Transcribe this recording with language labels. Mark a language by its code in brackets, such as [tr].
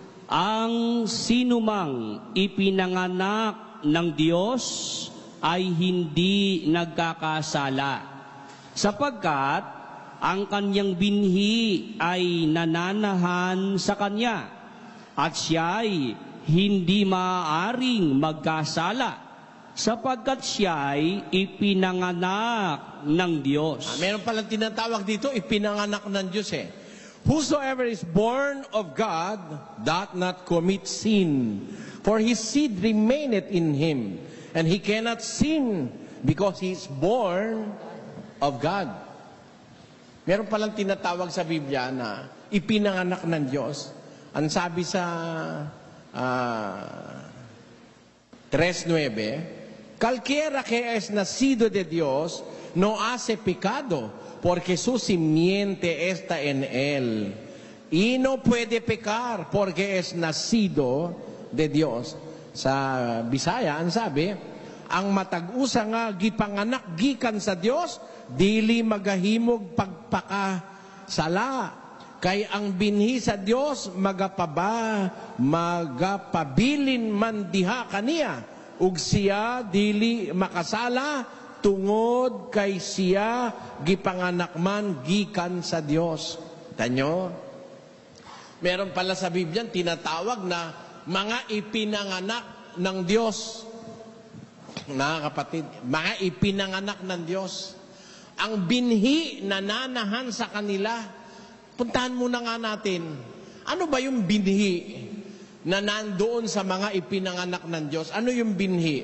[tl] Ang sinumang ipinanganak ng Diyos ay hindi nagkakasala, sapagkat ang kanyang binhi ay nananahan sa kanya, at siya'y hindi maaaring magkasala, sapagkat siya'y ipinanganak ng Diyos. Ah, meron palang tinatawag dito, ipinanganak ng Diyos eh. [en] Whosoever is born of God doth not commit sin, for his seed remaineth in him, and he cannot sin because he is born of God. [tl] Meron palang tinatawag sa Biblia na ipinanganak ng Diyos. Ang sabi sa 3:9, [es] cualquiera que es nacido de Dios no hace pecado, porque su simiente está en él. Y no puede pecar porque es nacido de Dios. [tl] Sa Bisaya, ang sabi, [ceb] ang matag-usa nga gipanganak gikan sa Dios, dili magahimog pagpakasala. Kay ang binhi sa Dios magapaba, magapabilin man diha kaniya, ug siya dili makasala, tungod kay siya gipanganak man gikan sa Dios. [tl] Tanyo, meron pala sa Biblia tinatawag na mga ipinanganak ng Dios. Mga kapatid, mga ipinanganak ng Diyos. Ang binhi na nanahan sa kanila, puntahan muna nga natin, ano ba yung binhi na nandoon sa mga ipinanganak ng Diyos? Ano yung binhi?